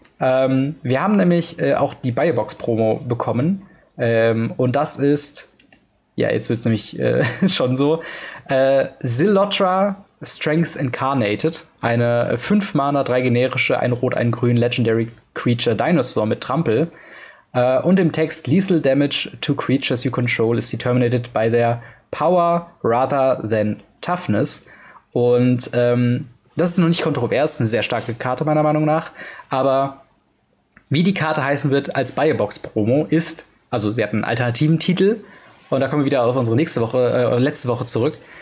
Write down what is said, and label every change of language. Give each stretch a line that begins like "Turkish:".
German: Wir haben nämlich auch die Biobox-Promo bekommen. Und das ist, ja, jetzt wird es nämlich schon so, Zilotra Strength Incarnated, eine 5-Mana, 3 generische, 1 rot, 1 grün, Legendary Creature Dinosaur mit Trampel. Und im Text,
English: Lethal Damage to Creatures You Control is Determined by their Power rather than Toughness.
German: Und das ist noch nicht kontrovers, eine sehr starke Karte meiner Meinung nach. Aber wie die Karte heißen wird als Buy-A-Box-Promo ist, also sie hat einen alternativen Titel, und da kommen wir wieder auf unsere nächste Woche, letzte Woche zurück.